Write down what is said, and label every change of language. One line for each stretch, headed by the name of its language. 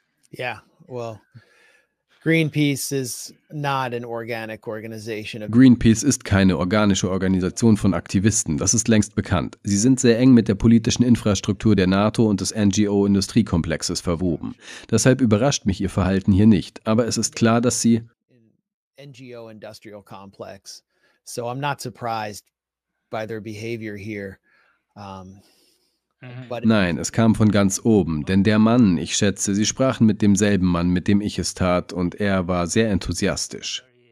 English: Ja, well, Greenpeace is not an organic organization.
German: Greenpeace ist keine organische Organisation von Aktivisten, das ist längst bekannt. Sie sind sehr eng mit der politischen Infrastruktur der NATO und des NGO-Industriekomplexes verwoben. Deshalb überrascht mich ihr Verhalten hier nicht, aber es ist klar, dass sie
English: NGO-Industrial Complex. So I'm not surprised by their behavior here.
German: Nein, es kam von ganz oben, denn der Mann, ich schätze, sie sprachen mit demselben Mann, mit dem ich es tat, und er war sehr enthusiastisch.